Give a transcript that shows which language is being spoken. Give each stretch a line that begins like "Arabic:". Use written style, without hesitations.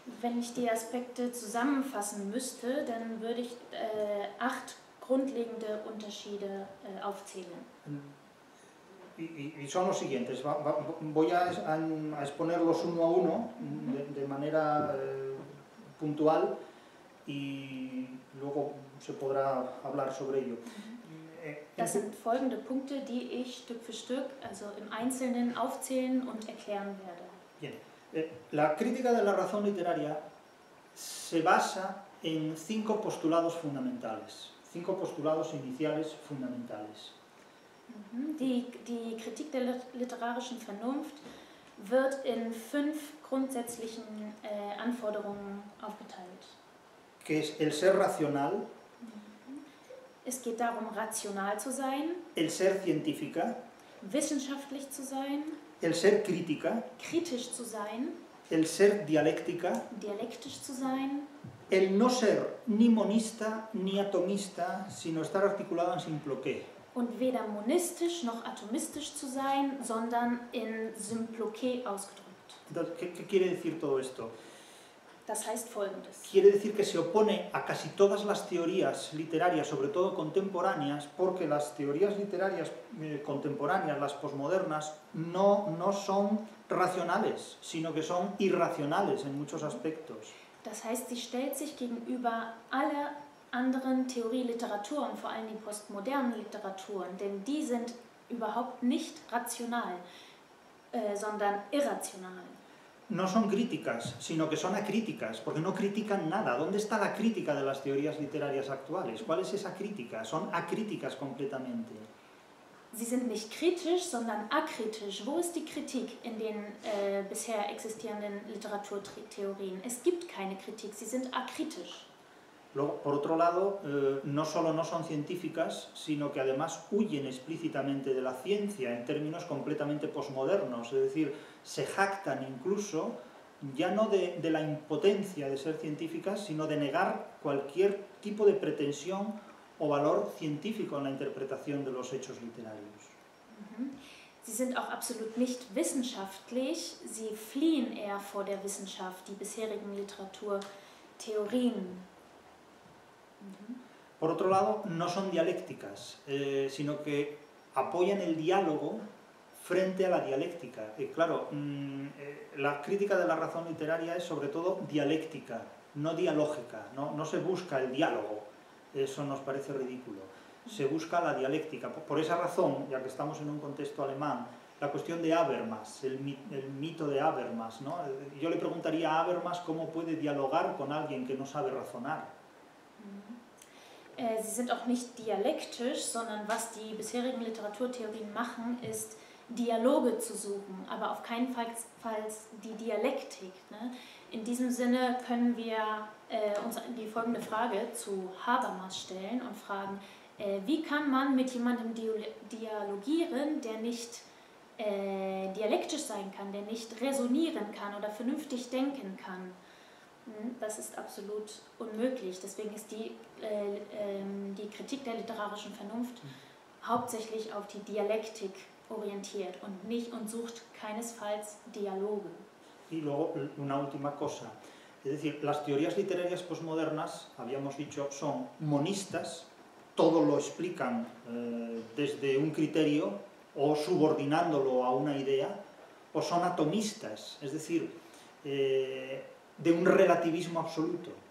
German: Wenn ich die Aspekte zusammenfassen müsste, dann würde ich 8 grundlegende Unterschiede aufzählen.
Spanish: Y son los siguientes. Voy a exponerlos uno a uno de manera puntual y luego se podrá hablar sobre ello.
German: Das sind folgende Punkte, die ich Stück für Stück, also im Einzelnen, aufzählen und erklären werde. Bien.
Spanish: La crítica de la razón literaria se basa en cinco postulados fundamentales. Cinco postulados iniciales fundamentales.
German: Die Kritik der literarischen Vernunft wird in fünf grundsätzlichen Anforderungen aufgeteilt.
Spanish: Que es el ser racional.
German: Es geht darum, rational zu sein.
Spanish: El ser científica.
German: Wissenschaftlich zu sein.
Spanish: El ser crítica.
German: Kritisch zu sein.
Spanish: El ser dialéctica.
German: Dialektisch zu sein.
Spanish: El no ser ni monista ni atomista, sino estar articulado en simple qué.
German: Und weder monistisch noch atomistisch zu sein, sondern in Symploké ausgedrückt.
Spanish: ¿Qué quiere decir todo esto?
German: Das heißt folgendes.
Spanish: Quiere decir que se opone a casi todas las teorías literarias, sobre todo contemporáneas, porque las teorías literarias contemporáneas, las posmodernas, no son racionales, sino que son irracionales en muchos aspectos.
German: Das heißt, sie stellt sich gegenüber aller anderen Theorieliteraturen, vor allem die postmodernen Literaturen, denn die sind überhaupt nicht rational, sondern irrational.
Spanish: No son críticas, sino que son acríticas, porque no critican nada. ¿Dónde está la crítica de las teorías literarias actuales? ¿Cuál es esa crítica? Son acríticas completamente.
German: Sie sind nicht kritisch, sondern akritisch. Wo ist die Kritik in den bisher existierenden Literaturtheorien? Es gibt keine Kritik, sie sind akritisch.
Spanish: Por otro lado, no solo no son científicas, sino que además huyen explícitamente de la ciencia en términos completamente posmodernos. Es decir, se jactan incluso ya no de la impotencia de ser científicas, sino de negar cualquier tipo de pretensión o valor científico en la interpretación de los hechos literarios.
German: Sie sind auch absolut nicht wissenschaftlich. Sie fliehen eher vor der Wissenschaft, die bisherigen Literaturtheorien.
Spanish: Por otro lado, no son dialécticas, sino que apoyan el diálogo frente a la dialéctica. Claro, la crítica de la razón literaria es sobre todo dialéctica, no dialógica. No se busca el diálogo, eso nos parece ridículo. Se busca la dialéctica. Por esa razón, ya que estamos en un contexto alemán, la cuestión de Habermas, el mito de Habermas, ¿no? Yo le preguntaría a Habermas cómo puede dialogar con alguien que no sabe razonar.
German: Sie sind auch nicht dialektisch, sondern was die bisherigen Literaturtheorien machen, ist Dialoge zu suchen, aber auf keinen Fall die Dialektik. Ne? In diesem Sinne können wir uns die folgende Frage zu Habermas stellen und fragen, wie kann man mit jemandem dialogieren, der nicht dialektisch sein kann, der nicht resonieren kann oder vernünftig denken kann? Das ist absolut unmöglich. Deswegen ist die Kritik der literarischen Vernunft hauptsächlich auf die Dialektik orientiert und nicht und sucht keinesfalls Dialoge.
Spanish: Y luego una última cosa. Es decir, las teorías literarias postmodernas, habíamos dicho, son monistas, todo lo explican desde un criterio o subordinándolo a una idea, o son atomistas, es decir, de un relativismo absoluto.